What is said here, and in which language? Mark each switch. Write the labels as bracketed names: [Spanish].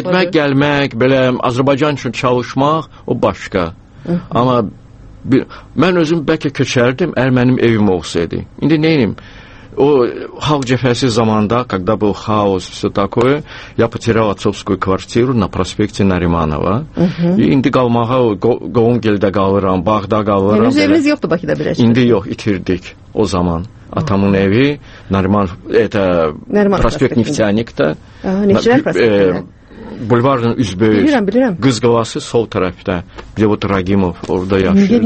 [Azerbaijani] Getmək, gəlmək, belə Azərbaycan üçün çalışmaq, o başqa. Amma mən özüm bəlkə köçərdim, əgər mənim evim olsaydı. İndi neyim? O hal cəfəsi zamanda, qada bu haos, [Russian] все такое, я потерял отцовскую квартиру на проспекте Нариманова. [Azerbaijani] İndi qalmağa, qovum gildə qalıram, bağda qalıram. Yəni, evimiz yoxdur Bakıda bir əşkə. İndi yox, itirdik o zaman. Atamın evi, Nariman, etə, Nariman prospekt Neftyanikdə. Neftyanik prospektində. Bulvarın üzböyü, qız qalası sol tərəfdə, Levut Ragimov orada yaşıyordu.